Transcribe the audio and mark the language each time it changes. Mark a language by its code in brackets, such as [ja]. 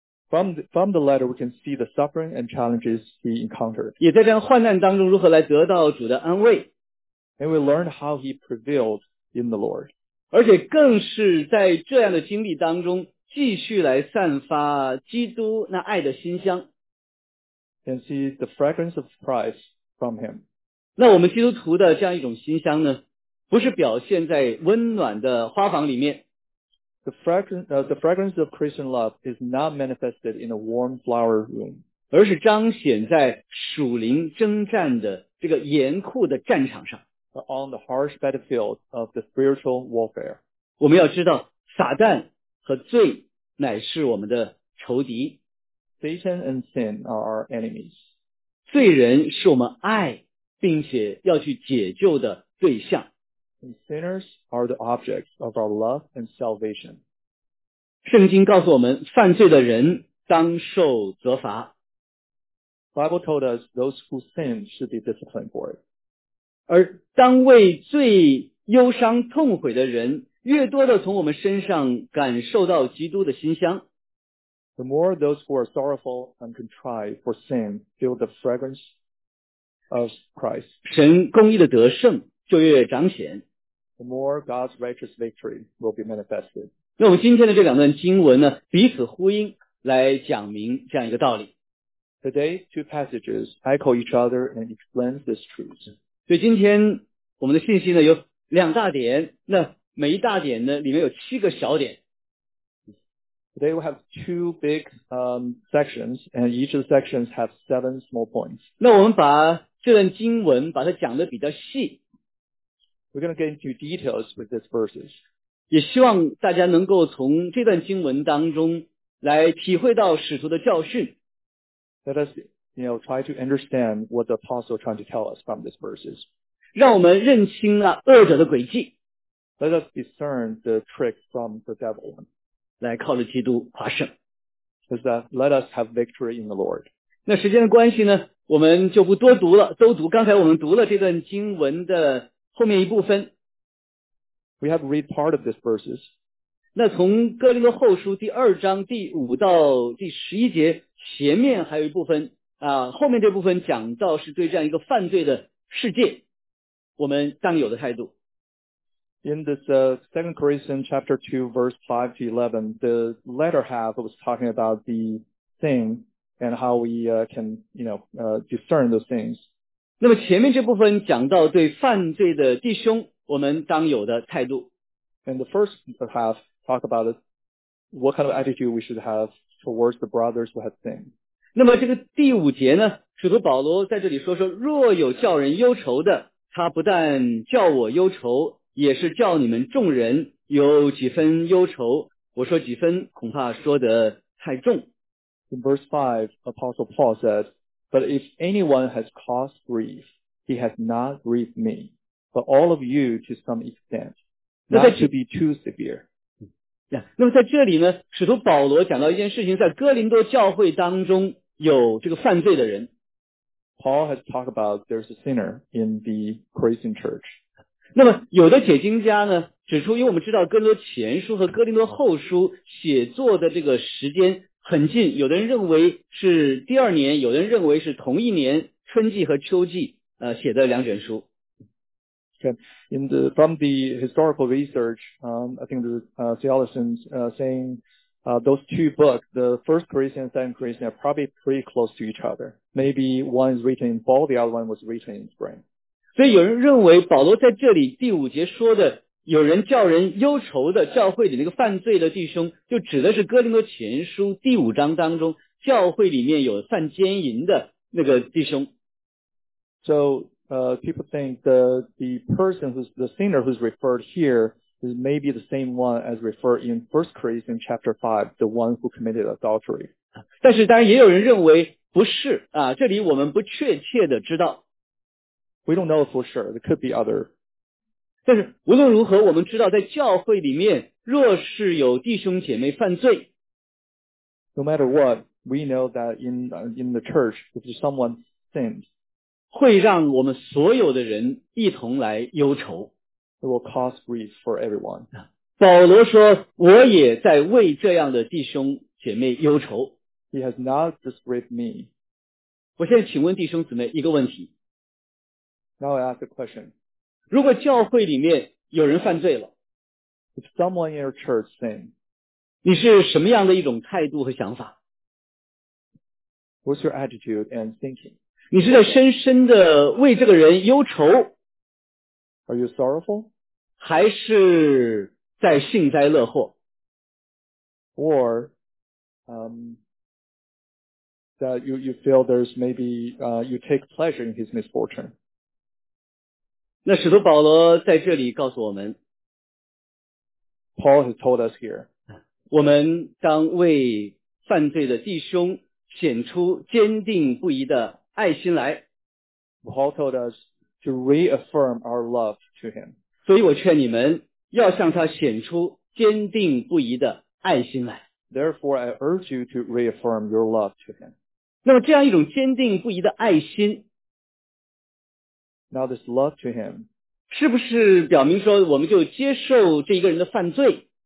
[en] ，From the letter we can see the suffering and challenges he encountered， [zh] 也在这样患难当中如何来得到主的安慰 [en] ，And we learned how he prevailed in the Lord。 [zh] 而且更是在这样的经历当中继续来散发基督那爱的馨香。 [en] And see the fragrance of Christ from him. [zh] 那我们基督徒的这样一种馨香呢，不是表现在温暖的花房里面。 [en] The fragrance of Christian love is not manifested in a warm flower room. [zh] 而是彰显在属灵征战的这个严酷的战场上。 [en] But on the harsh battlefield of the spiritual warfare. [zh] 我们要知道撒旦和罪乃是我们的仇敌。 [en] Satan and sin are our enemies. [zh] 罪人是我们爱并且要去解救的对象。 [en] And sinners are the objects of our love and salvation. [zh] 圣经告诉我们犯罪的人当受责罚。 [en] Bible told us those who sin should be disciplined for it. [zh] 而当为罪忧伤痛悔的人越多地从我们身上感受到基督的馨香。 [en] The more those who are sorrowful and contrite for sin feel the fragrance of Christ. [zh] 神公义的得胜就越彰显。 [en] The more God's righteous victory will be manifested. [zh] 那我们今天的这两段经文呢彼此呼应来讲明这样一个道理。 [en] Today, two passages echo each other and explain this truth. [zh] 所以今天我们的信息呢有两大点，那每一大点呢里面有七个小点。 [en] Today we have two big sections, and each of the sections have seven small points. [zh] 那我们把这段经文把它讲得比较细。 [en] We're going to get into details with these verses. [zh] 也希望大家能够从这段经文当中来体会到使徒的教训。 [en] Let us, you know, try to understand what the apostle is trying to tell us from these verses. [zh] 让我们认清了恶者的诡计。 [en] Let us discern the trick from the devil. [zh] 来靠着基督夸胜。 [en] Let us have victory in the Lord. [zh] 那时间的关系呢，我们就不多读了，都读。刚才我们读了这段经文的后面一部分。 [en] We have read part of these verses. [zh] 那从哥林多后书第二章第五到第十一节前面还有一部分啊，后面这部分讲到是对这样一个犯罪的世界我们当有的态度。 [en] In this 2 Corinthians chapter 2 verse 5 to 11, the latter half was talking about the thing and how we can, you know, discern those things. [zh] 那么前面这部分讲到对犯罪的弟兄我们当有的态度。 [en] And the first half talk about what kind of attitude we should have towards the brothers who have sinned. [zh] 那么这个第五节呢，使徒保罗在这里说，若有叫人忧愁的，他不但叫我忧愁，也是叫你们众人有几分忧愁。我说几分，恐怕说得太重。 [en] In verse 5, Apostle Paul says, But if anyone has caused grief, he has not grieved me, but all of you to some extent, not to be too severe. [zh] 那么在这里呢，使徒保罗讲到一件事情，在哥林多教会当中有这个犯罪的人。 [en] Paul has talked about there's a sinner in the Corinthian church. [zh] 那么有的解经家呢指出，因为我们知道哥林多前书和哥林多后书写作的这个时间很近，有的人认为是第二年，有的人认为是同一年春季和秋季写的两卷书。 [en] Okay. In the, from the historical research, I think the theologians saying those two books, the First Corinthians and Second Corinthians, are probably pretty close to each other. Maybe one is written in fall, the other one was written in spring. [zh] 所以有人认为保罗在这里第五节说的有人叫人忧愁的教会里那个犯罪的弟兄，就指的是哥林多前书第五章当中教会里面有犯奸淫的那个弟兄。 [en] So,people think the person who's the sinner who's referred here is maybe the same one as referred in 1 Corinthians chapter 5, the one who committed adultery. [zh] 但是当然也有人认为不是啊，这里我们不确切的知道。 [en] We don't know for sure. There could be other. [zh] 但是无论如何，我们知道在教会里面，若是有弟兄姐妹犯罪 [en] ，No matter what, we know that in the church, if someone sins. [zh] 会让我们所有的人一同来忧愁。 [en] It will cause grief for everyone. [zh] 保罗说，我也在为这样的弟兄姐妹忧愁。 [en] He has not just grieved me. [zh] 我现在请问弟兄姊妹一个问题。 [en] Now I ask a question. [zh] 如果教会里面有人犯罪了， [en] If someone in your church sin, [zh] 你是什么样的一种态度和想法？ [en] What's your attitude and thinking? [zh] 你是在深深的为这个人忧愁 [en] ？Are you sorrowful？ [zh] 还是在幸灾乐祸 [en] ？Or that you feel there's maybe you take pleasure in his misfortune？ [zh] 那使徒保罗在这里告诉我们 [en] Paul has told us here, [zh] 我们当为犯罪的弟兄显出坚定不移的爱心来。 [en] Paul told us to reaffirm our love to him. [zh] 所以我劝你们要向他显出坚定不移的爱心来。 [en] Therefore, I urge you to reaffirm your love to him. [zh] 那么这样一种坚定不移的爱心 [en] Now this love to him [zh] 是不是表明说我们就接受这一个人的犯罪